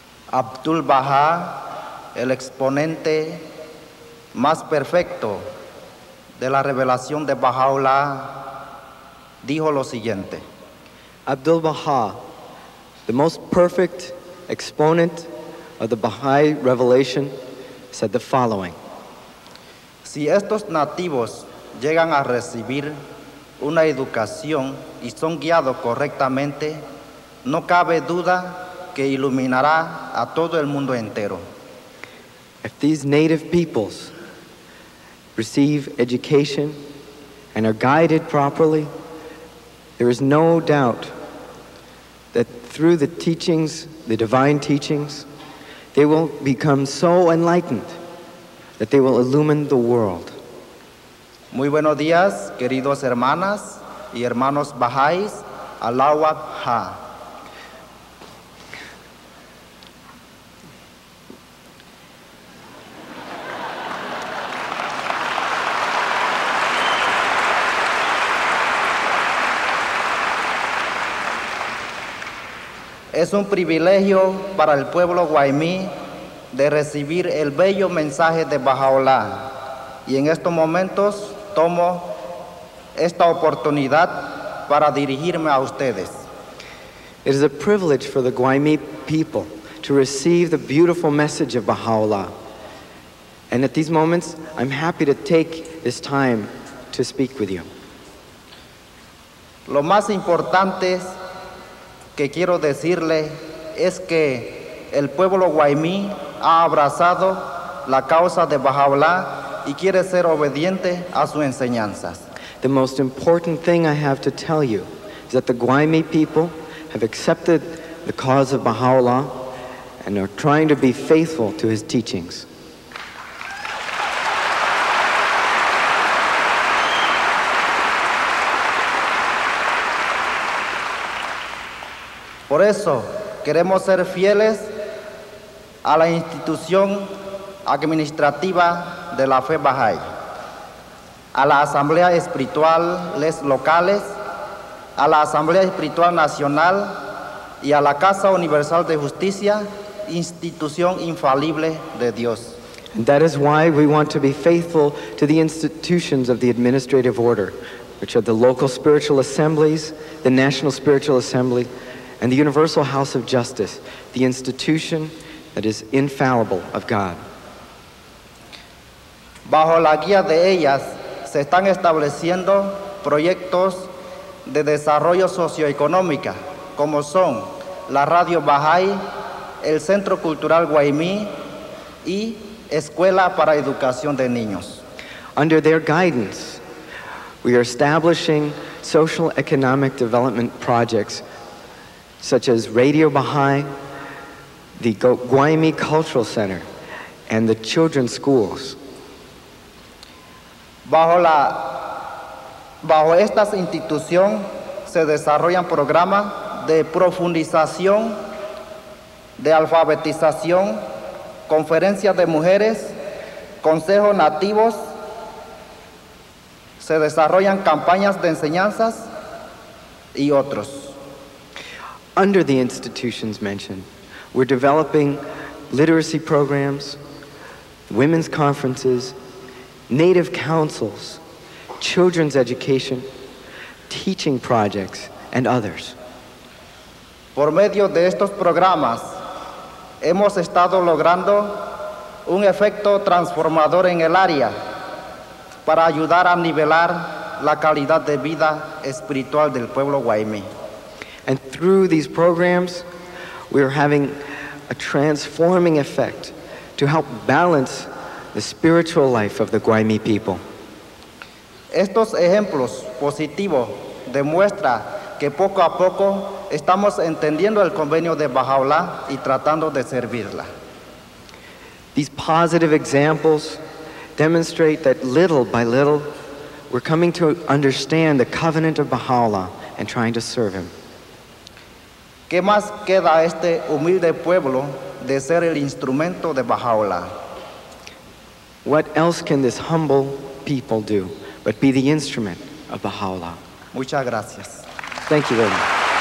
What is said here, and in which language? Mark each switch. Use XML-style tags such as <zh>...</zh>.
<es>Abdu'l-Baha, el exponente más perfecto de la revelación de Baha'u'llah, dijo lo siguiente.</es> <en>Abdu'l-Baha, the most perfect exponent of the Baha'i revelation, said the following.</en> <es>Si estos nativos llegan a recibir una educación y son guiados correctamente, no cabe duda que iluminará a todo el mundo entero.</es> <en>If these native peoples receive education and are guided properly, there is no doubt that through the teachings, the divine teachings, they will become so enlightened that they will illumine the world.</en> <es>Muy buenos días, queridos hermanas y hermanos Baha'is, Alawa Ha. Es un privilegio para el pueblo guaymí de recibir el bello mensaje de Baha'u'llah. Y en estos momentos tomo esta oportunidad para dirigirme a ustedes.</es> <en>It is a privilege for the guaymí people to receive the beautiful message of Baha'u'llah. And at these moments, I'm happy to take this time to speak with you.</en> <es>Lo más importante es que quiero decirle es que el pueblo guaymí ha abrazado la causa de Baha'u'llah y quiere ser obediente a sus enseñanzas.</es> <en>The most important thing I have to tell you is that the Guaymi people have accepted the cause of Baha'u'llah and are trying to be faithful to his teachings.</en> <es>Por eso queremos ser fieles a la institución administrativa de la fe Baha'i, a la Asamblea Espiritual Locales, a la Asamblea Espiritual Nacional y a la Casa Universal de Justicia, institución infalible de Dios.</es> <en>And that is why we want to be faithful to the institutions of the administrative order, which are the local spiritual assemblies, the national spiritual assembly, and the universal house of justice, the institution that is infallible of God.</en> <es>Bajo la guía de ellas se están estableciendo proyectos de desarrollo socioeconómica, como son la Radio Bahá'í, el Centro Cultural Guaymí y Escuela para Educación de Niños.</es> <en>Under their guidance, we are establishing social economic development projects such as Radio Bahá'í, the Guaymí Cultural Center, and the children's schools.</en> <es>Bajo estas instituciones se desarrollan programas de profundización, de alfabetización, conferencias de mujeres, consejos nativos, se desarrollan campañas de enseñanzas y otros.</es> <en>Under the institutions mentioned, we're developing literacy programs, women's conferences, native councils, children's education, teaching projects, and others.</en> <es>Por medio de estos programas, hemos estado logrando un efecto transformador en el área para ayudar a nivelar la calidad de vida espiritual del pueblo Guaymí.</es> <en>And through these programs, we are having a transforming effect to help balance the spiritual life of the Guaymí people.</en> <es>Estos ejemplos positivos demuestran que poco a poco estamos entendiendo el convenio de Bahá'u'lláh y tratando de servirla.</es> <en>These positive examples demonstrate that little by little, we're coming to understand the covenant of Bahá'u'lláh and trying to serve him.</en> <es>¿Qué más queda a este humilde pueblo de ser el instrumento de Bahá'u'lláh?</es> <en>What else can this humble people do but be the instrument of Bahá'u'lláh?</en> <es>Muchas gracias.</es> <en>Thank you very much.</en>